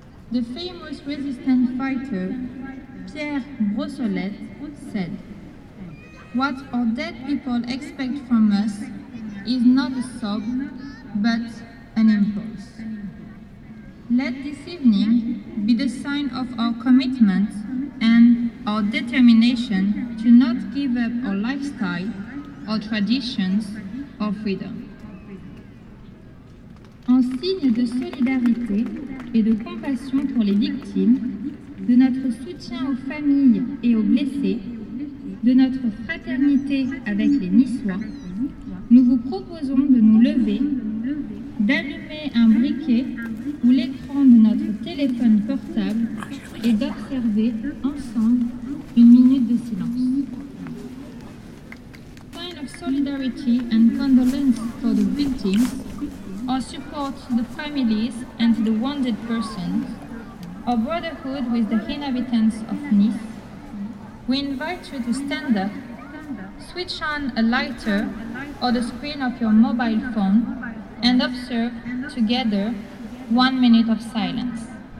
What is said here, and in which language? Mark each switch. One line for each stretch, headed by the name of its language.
English: The famous resistance fighter Pierre Brossolette said, "What our dead people expect from us is not a sob, but an impulse." Let this evening be the sign of our commitment and our determination to not give up our lifestyle, our traditions, our freedom.
French: En signe de solidarité et de compassion pour les victimes, de notre soutien aux familles et aux blessés, de notre fraternité avec les Niçois, nous vous proposons de nous lever, d'allumer un briquet ou l'écran de notre téléphone portable et d'observer ensemble une minute de silence.
English: Sign of solidarity and condolence for the victims, our support to the families and to the wounded persons, our brotherhood with the inhabitants of Nice, we invite you to stand up, switch on a lighter or the screen of your mobile phone, and observe together 1 minute of silence.